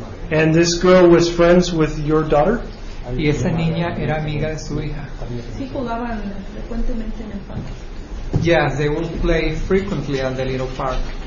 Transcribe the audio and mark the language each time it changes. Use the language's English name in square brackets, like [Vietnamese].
[English] And this girl was friends with your daughter? [Spanish] Y esa niña era amiga de su hija. Sí, jugaban frecuentemente en el parque. [English] Yes, they would play frequently at the little park.